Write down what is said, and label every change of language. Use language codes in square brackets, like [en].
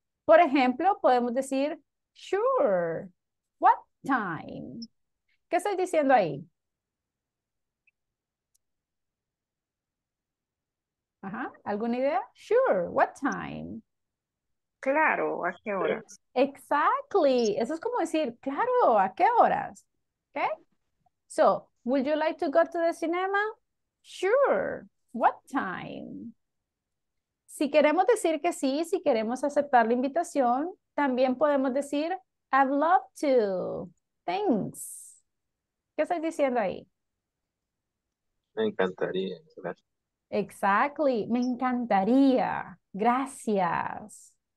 [es] Por ejemplo, podemos decir, [en] sure, what time? [es] ¿Qué estoy diciendo ahí? Ajá, ¿alguna idea? [en] Sure, what time? [es] Claro, ¿a qué horas? Exactly, eso es como decir, claro, ¿a qué horas? [en] Okay, so, would you like to go to the cinema? Sure, what time? [es] Si queremos decir que sí, si queremos aceptar la invitación, también podemos decir, [en] I'd love to, thanks. [es] ¿Qué estás diciendo ahí? Me encantaría, gracias. Exactly, me encantaría, gracias.